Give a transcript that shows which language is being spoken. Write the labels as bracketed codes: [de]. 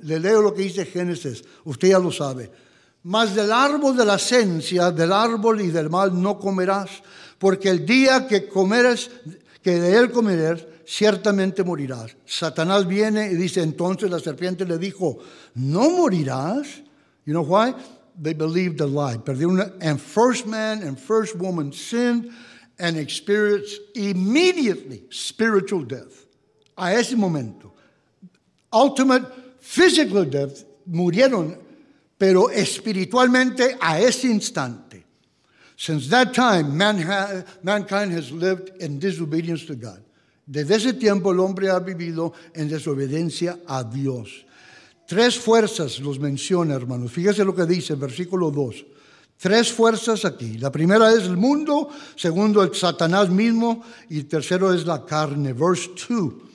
[es] Le leo lo que dice Génesis. Usted ya lo sabe. Mas del árbol de la ciencia, del árbol y del mal no comerás, porque el día que comeres, que de él comeres, ciertamente morirás. Satanás viene y dice, entonces la serpiente le dijo, no morirás. [en] You know why? They believed the lie. [es] Perdieron. [en] And first man and first woman sinned and experienced immediately spiritual death. [es] A ese momento. [en] Ultimate physical death. [es] Murieron, pero espiritualmente a ese instante. [en] Since that time, mankind has lived in disobedience to God. [es] Desde ese tiempo, el hombre ha vivido en desobediencia a Dios. Tres fuerzas los menciona, hermanos. Fíjese lo que dice en versículo 2. Tres fuerzas aquí. La primera es el mundo, segundo es Satanás mismo, y tercero es la carne. [en] Verse 2.